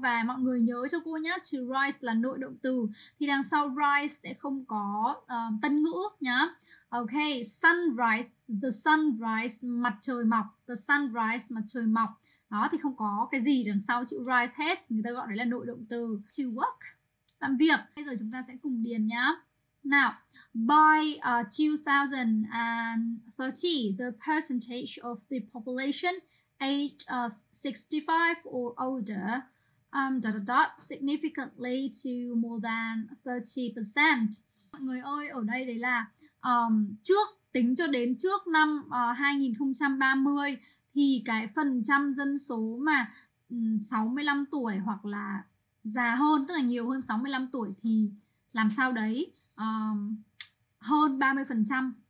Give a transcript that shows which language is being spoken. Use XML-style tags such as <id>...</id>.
<vi>Và mọi người nhớ cho cô nhé, to rise là nội động từ. Thì đằng sau rise sẽ không có tân ngữ nhá.</vi> <en>Okay, sunrise, the sunrise,</en> <vi>mặt trời mọc,</vi> <en>the sunrise,</en> <vi>mặt trời mọc. Đó thì không có cái gì đằng sau chữ rise hết, người ta gọi đấy là nội động từ, to work, làm việc. Bây giờ chúng ta sẽ cùng điền nhá.</vi> <en>Now, by 2030, the percentage of the population age of 65 or older significantly to more than 30%.</en> <vi>Mọi người ơi, ở đây đấy là trước, tính cho đến trước năm 2030 thì cái phần trăm dân số mà 65 tuổi hoặc là già hơn, tức là nhiều hơn 65 tuổi thì làm sao đấy, hơn 30%.</vi>